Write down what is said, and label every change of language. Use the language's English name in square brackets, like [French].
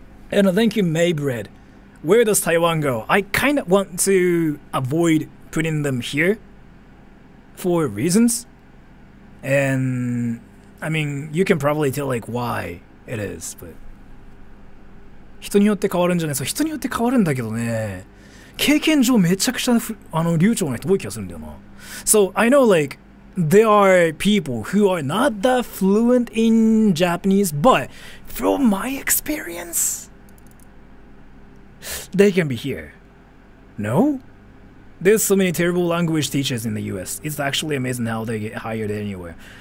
[English] And thank you, Maybread. Where does Taiwan go? I kind of want to avoid putting them here for reasons. And I mean, you can probably tell like why it is, but [Japanese] 人によって変わるんじゃないですか。人によって変わるんだけどね。経験上めちゃくちゃ流暢な人多い気がするんだよな。 [English] So I know like there are people who are not that fluent in Japanese, but from my experience, they can be here. No? There's so many terrible language teachers in the US. It's actually amazing how they get hired anywhere.